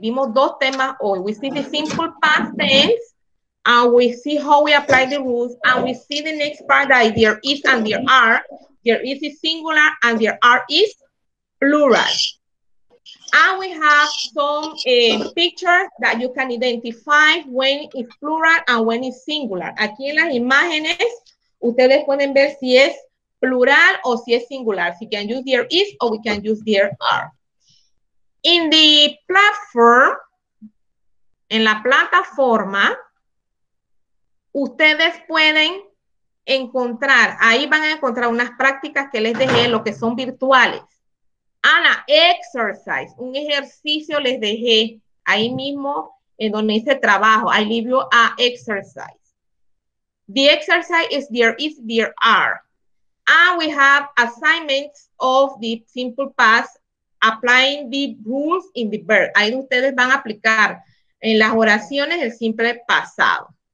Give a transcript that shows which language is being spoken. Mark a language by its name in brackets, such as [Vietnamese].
[Spanish] Vimos dos temas hoy. [English] We see the simple past tense, and we see how we apply the rules, and we see the next part that there is and there are. There is a singular, and there are is plural. And we have some pictures that you can identify when it's plural and when it's singular. [Spanish] Aquí en las imágenes, ustedes pueden ver si es plural o si es singular. [English] So you can use there is or we can use there are. In the platform, [Spanish] en la plataforma, ustedes pueden encontrar, ahí van a encontrar unas prácticas que les dejé, lo que son virtuales. Ana, exercise, un ejercicio les dejé ahí mismo en donde hice trabajo. [English] I leave you a exercise. The exercise is there is, there are. And we have assignments of the simple past applying the rules in the verb. [Spanish] Ahí ustedes van a aplicar en las oraciones el simple pasado.